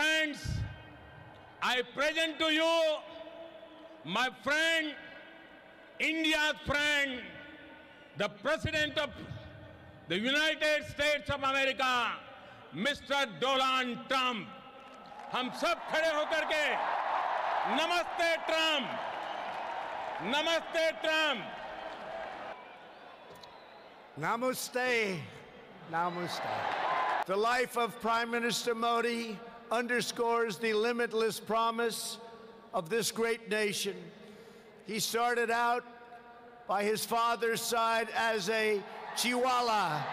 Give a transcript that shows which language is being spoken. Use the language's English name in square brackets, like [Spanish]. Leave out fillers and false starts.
[English] Friends, I present to you my friend, India's friend, the President of the United States of America. Mr. [Hindi] Donald Trump, हम सब खड़े होकर के नमस्ते Trump, नमस्ते ट्रंप, नमस्ते, नमस्ते. [English] The life of Prime Minister Modi underscores the limitless promise of this great nation. He started out by his father's side as a Chihuahua.